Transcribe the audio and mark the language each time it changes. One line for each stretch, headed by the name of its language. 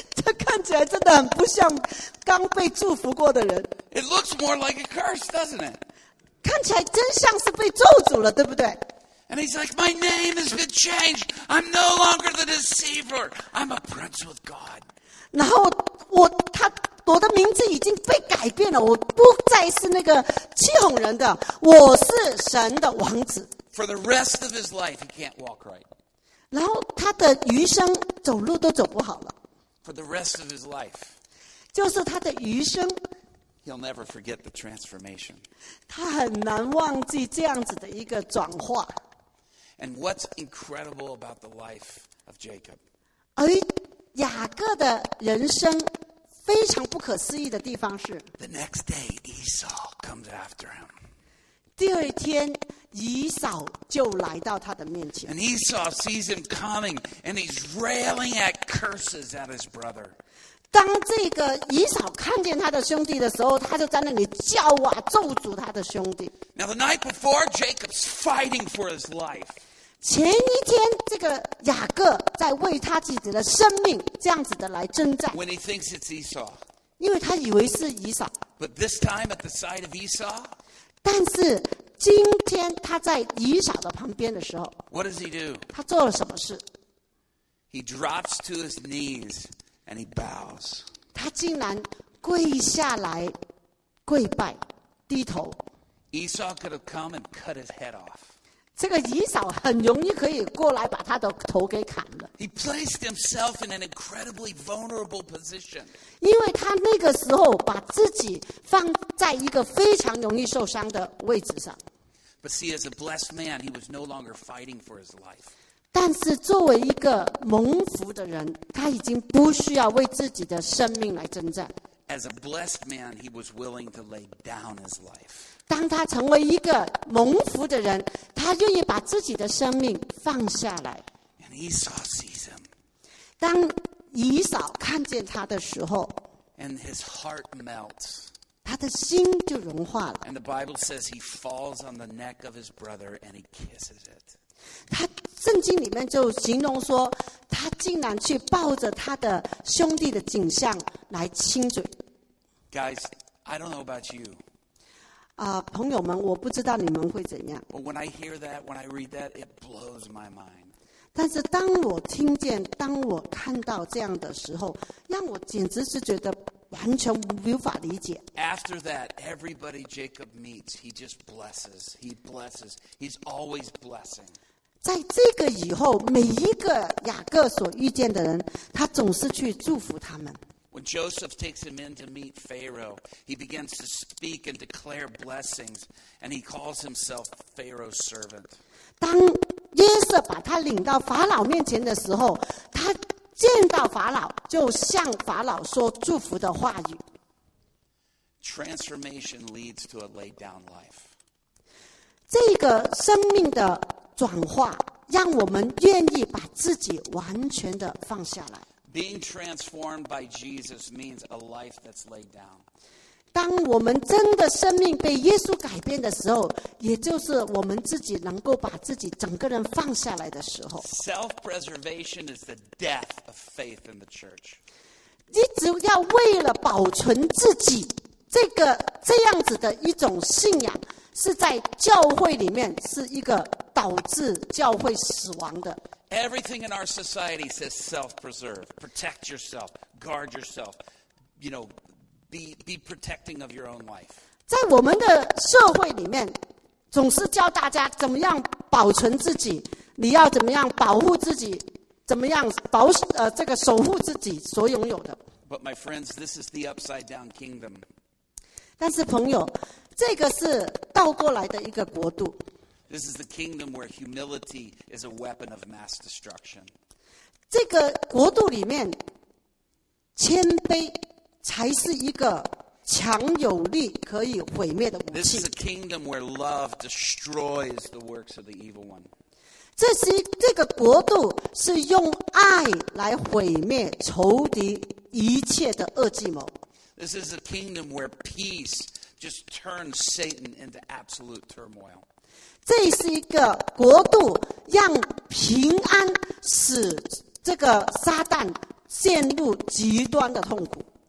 Chinese: 这看起来真的很不像刚被祝福过的人。
English: It looks more like a curse, doesn't it?
Chinese: 看起来真像是被咒诅了，对不对？
English: And he's like, my name has been changed. I'm no longer the deceiver. I'm a prince with God.
Chinese: 然后我的名字已经被改变了，我不再是那个欺哄人的，我是神的王子。
English: For the rest of his life, he can't walk right.
Chinese: 然后他的余生走路都走不好了。
English: For the rest of his life.
Chinese: 就是他的余生。
English: He'll never forget the transformation.
Chinese: 他很难忘记这样子的一个转化。
English: And what's incredible about the life of Jacob?
Chinese: 而雅各的人生非常不可思议的地方是
English: The next day, Esau comes after him.
Chinese: 第二天以扫就来到他的面前。
English: And Esau sees him coming, and he's railing at curses at his brother.
Chinese: 当这个以扫看见他的兄弟的时候，他就在那里叫啊，咒诅他的兄弟。
English: Now the night before, Jacob's fighting for his life.
Chinese: 前一天，这个雅各在为他自己的生命这样子的来征战。
English: When he thinks it's Esau.
Chinese: 因为他以为是以扫。
English: But this time at the side of Esau.
Chinese: 但是今天他在以扫的旁边的时候
English: What does he do?
Chinese: 他做了什么事
English: He drops to his knees and he bows.
Chinese: 他竟然跪下来跪拜低头
English: Esau could have come and cut his head off.
Chinese: 这个以扫很容易可以过来把他的头给砍了
English: He placed himself in an incredibly vulnerable position.
Chinese: 因为他那个时候把自己放在一个非常容易受伤的位置上
English: But see, as a blessed man, he was no longer fighting for his life.
Chinese: 但是作为一个蒙福的人，他已经不需要为自己的生命来征战。
English: As a blessed man, he was willing to lay down his life.
Chinese: 当他成为一个蒙福的人，他愿意把自己的生命放下来。
English: And Esau sees him.
Chinese: 当以扫看见他的时候
English: ，And his heart melts.
Chinese: 他的心就融化了。
English: And the Bible says he falls on the neck of his brother and he kisses it.
Chinese: 他圣经里面就形容说，他竟然去抱着他的兄弟的颈项来亲嘴。
English: Guys, I don't know about you.
Chinese: 朋友们，我不知道你们会怎样。
English: But when I hear that, when I read that, it blows my mind.
Chinese: 但是当我听见，当我看到这样的时候，让我简直是觉得。完全无法理解。
English: After that, everybody Jacob meets, he just blesses. He blesses. He's always blessing.
Chinese: 在这个以后，每一个雅各所遇见的人，他总是去祝福他们。
English: When Joseph takes him in to meet Pharaoh, he begins to speak and declare blessings, and he calls himself Pharaoh's servant.
Chinese: 当约瑟把他领到法老面前的时候，他。见到法老，就向法老说祝福的话语。
English: Transformation leads to a laid down life.
Chinese: 这个生命的转化，让我们愿意把自己完全的放下来。
English: Being transformed by Jesus means a life that's laid down.
Chinese: 当我们真的生命被耶稣改变的时候，也就是我们自己能够把自己整个人放下来的时候。
English: Self-preservation is the death of faith in the church.
Chinese: 一直要为了保存自己，这样子的一种信仰，是在教会里面是一个导致教会死亡的。
English: Everything in our society says self-preserve. Protect yourself. Guard yourself. You know,Be protecting of your own life.
Chinese: 在我们的社会里面，总是教大家怎么样保存自己，你要怎么样保护自己，怎么样保这个守护自己所拥有的。
English: But my friends, this is the upside down kingdom.
Chinese: 但是朋友，这个是倒过来的一个国度。
English: This is the kingdom where humility is a weapon of mass destruction.
Chinese: 这个国度里面，谦卑。才是一个强有力可以毁灭的武器。
English: This is a kingdom where love destroys the works of the evil one.
Chinese: 这个国度是用爱来毁灭仇敌一切的恶计谋。
English: This is a kingdom where peace just turns Satan into absolute turmoil.
Chinese: 这是一个国度让平安使这个撒旦陷入极端的痛苦。